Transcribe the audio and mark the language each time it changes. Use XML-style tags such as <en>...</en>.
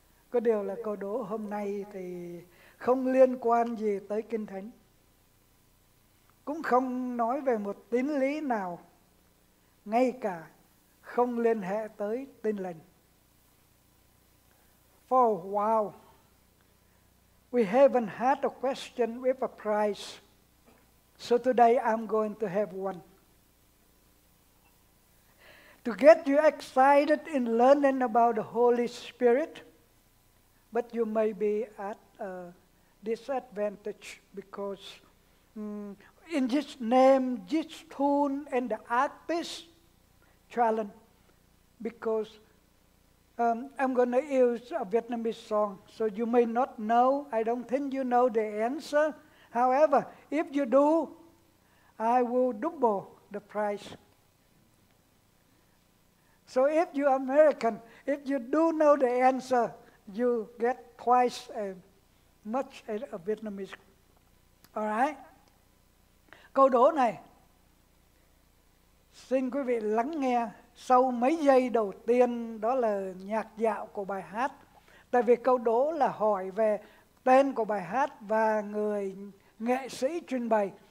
<vi>Có điều là câu đố hôm nay thì không liên quan gì tới kinh thánh, cũng không nói về một tín lý nào, ngay cả không liên hệ tới tin lành.</vi> <en>For a while, we haven't had a question with a prize, so today I'm going to have one. To get you excited in learning about the Holy Spirit, but you may be at a disadvantage because in this name, this tune, and the artist challenge, because I'm going to use a Vietnamese song, so you may not know. I don't think you know the answer. However, if you do, I will double the price. So if you're American, if you do know the answer, you get twice as much as a Vietnamese. All right?</en> <vi>Câu đố này, xin quý vị lắng nghe sau mấy giây đầu tiên, đó là nhạc dạo của bài hát. Tại vì câu đố là hỏi về tên của bài hát và người nghệ sĩ trình bày.</vi>